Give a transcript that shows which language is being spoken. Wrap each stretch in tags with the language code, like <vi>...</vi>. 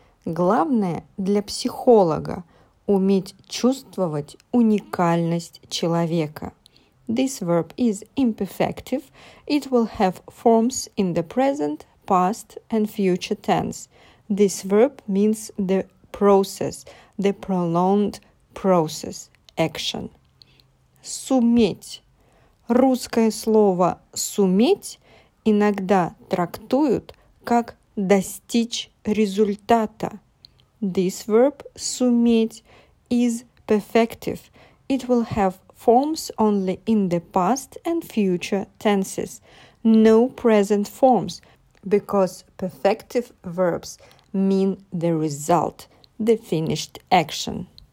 <ru>Главное для психолога – уметь чувствовать уникальность человека.</ru> <en>This verb is imperfective. It will have forms in the present, past and future tense. This verb means the process, the prolonged process, action.</en> <ru>Суметь. Русское слово суметь иногда трактуют как достичь результата.</ru> <en>This verb суметь is perfective. It will have forms only in the past and future tenses, no present forms, because perfective verbs mean the result, the finished action.</en>